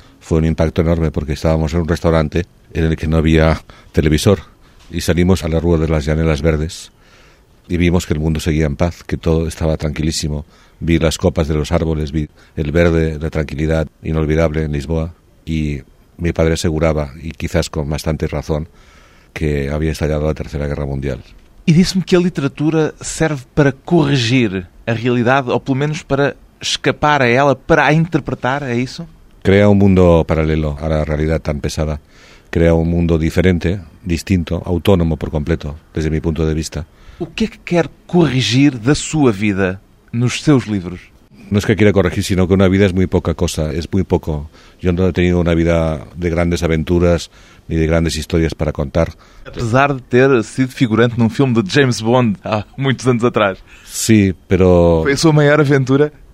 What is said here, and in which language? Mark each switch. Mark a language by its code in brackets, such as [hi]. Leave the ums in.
[es] Fue un impacto enorme porque estábamos en un restaurante en el que no había televisor y salimos a la rúa de las llanelas verdes y vimos que el mundo seguía en paz, que todo estaba tranquilísimo. Vi las copas de los árboles, vi el verde, la tranquilidad inolvidable en Lisboa y mi padre aseguraba, y quizás con bastante razón, que había estallado la Tercera Guerra Mundial. [pt] E disse-me que a literatura serve para corrigir a realidade, ou pelo menos para escapar a ela, para a interpretar, é isso? Cria um mundo paralelo à realidade tão pesada. Cria um mundo diferente, distinto, autónomo por completo, desde o meu ponto de vista. O que é que quer corrigir da sua vida nos seus livros? [es] No es que quiera corregir, sino que una vida es muy poca cosa, es muy poco. Yo no he tenido una vida de grandes aventuras ni de grandes historias para contar. A pesar de haber sido figurante En un filme de James Bond ah, Muchos años atrás. Sí, pero. ¿Fue su mayor aventura?